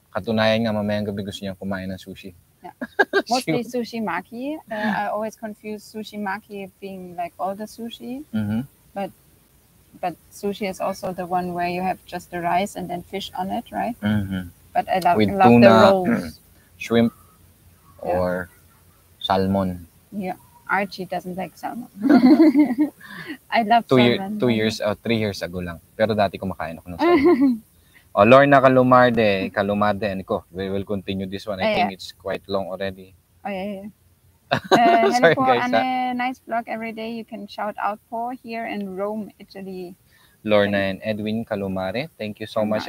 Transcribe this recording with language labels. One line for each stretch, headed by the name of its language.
Filipino: Katunayan nga, mamayang gabi gusto niya kumain ng sushi.
English: Yeah. Mostly sure. Sushi maki. I always confuse sushi maki being like all the sushi, but sushi is also the one where you have just the rice and then fish on it, right? Mm-hmm. But I love tuna, the rolls, shrimp, or salmon. Yeah, Archie doesn't like salmon. I love two salmon. Three years ago lang.
Filipino: Pero dati kumakain ako ng salmon.
English: Oh, Lorna Calumarde, and ko, we will continue this one. I think it's quite long already. Oh, yeah. sorry,
Filipino: po,
English: guys. Nice vlog every day. You can shout out po here in Rome, Italy. Lorna and Edwin Calumare, thank you so much.